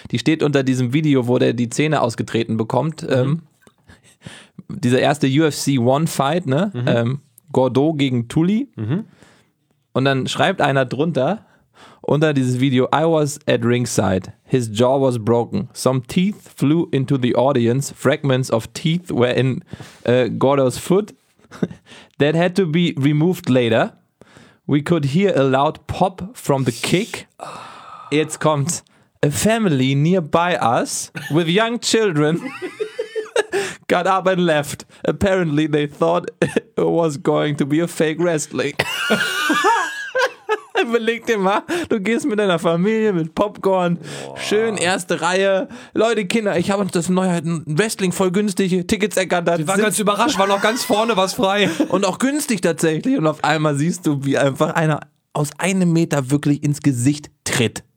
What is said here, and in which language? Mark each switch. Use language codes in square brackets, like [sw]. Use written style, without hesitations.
[de] Die steht unter diesem Video, wo der die Zähne ausgetreten bekommt. Dieser erste UFC One Fight, ne? Gordeau gegen Tully. Und dann schreibt einer drunter, unter dieses Video, [en] I was at ringside. His jaw was broken. Some teeth flew into the audience. Fragments of teeth were in Gordo's foot. That had to be removed later. We could hear a loud pop from the kick. [de] Jetzt kommt [en] a family nearby us with young children. Got up and left. Apparently they thought it was going to be a fake wrestling. [de] Überleg dir mal, du gehst mit deiner Familie, mit Popcorn, schön erste Reihe. Leute, Kinder, ich habe uns das neue Wrestling voll günstig, Tickets ergattert. Die waren ganz überrascht, war noch ganz vorne was frei. Und auch günstig tatsächlich. Und auf einmal siehst du, wie einfach einer aus einem Meter wirklich ins Gesicht tritt.